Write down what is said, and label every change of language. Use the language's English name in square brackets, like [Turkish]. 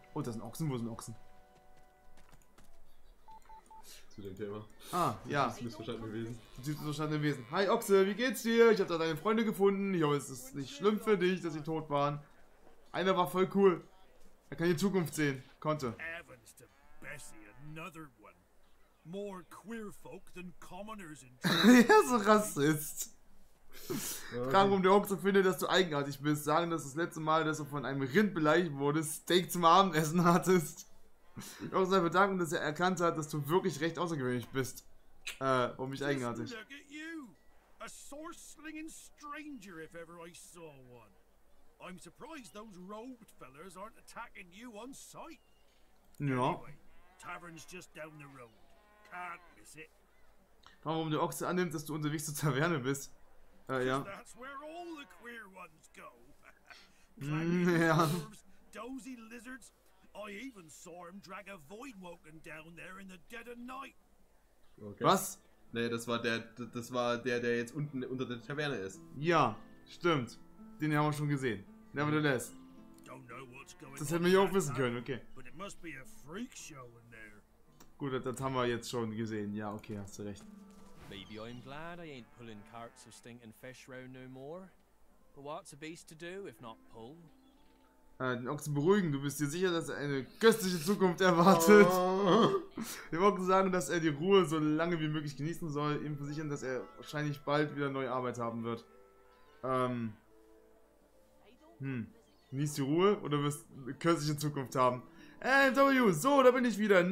[German] Oh, das sind Ochsen? Wo sind Ochsen? Zu dem Thema. Ah, ja. Missverstanden gewesen. Hi Ochse, wie geht's dir? Ich hab da deine Freunde gefunden. Ich hoffe, es ist nicht schlimm für dich, dass sie tot waren. Einer war voll cool. Er kann die Zukunft sehen. Konnte. [English] Evans to Bessie, another one. More queer folk than commoners in Trinity. [German] Er ist ein Rassist. Fragen, warum der Ochse findet, dass du eigenartig bist. Sagen, dass das letzte Mal, dass du von einem Rind beleidigt wurdest, Steak zum Abendessen hattest. Ich muss mich bedanken, dass er erkannt hat, dass du wirklich recht außergewöhnlich bist. Und mich eigenartig. [English] Look at you! A sword-slinging stranger, if ever I saw one. I'm surprised those robed fellers aren't attacking you on sight. [German] Ja. [English] Anyway, tavern's just down the road. Can't miss it. [German] Warum der Ochse annimmt, dass du unterwegs zur Taverne bist? Ja. [English] That's where all the queer ones go. [German] Ja. [English] Dozy lizards. I even saw him drag a Voidwoken down there in the dead of night. [German] Okay. Was? Nee, das war der jetzt unten unter der Taverne ist. Ja, stimmt. Den haben wir schon gesehen. [English] Nevertheless. Don't know what's going [German] das hätten wir ja auch wissen können, okay. [English] But it must be a freak show in there. [German] Gut, das haben wir jetzt schon gesehen. Ja, okay, hast du recht. [English] Maybe I'm glad I ain't pulling carts of stinking fish round no more. But what's a beast to do if not pull? [German] Den Ochsen beruhigen, du bist dir sicher, dass er eine köstliche Zukunft erwartet. Oh. Dem Ochsen sagen, dass er die Ruhe so lange wie möglich genießen soll, ihm versichern, dass er wahrscheinlich bald wieder neue Arbeit haben wird. Genieß die Ruhe oder wirst eine köstliche Zukunft haben? W, so, da bin ich wieder.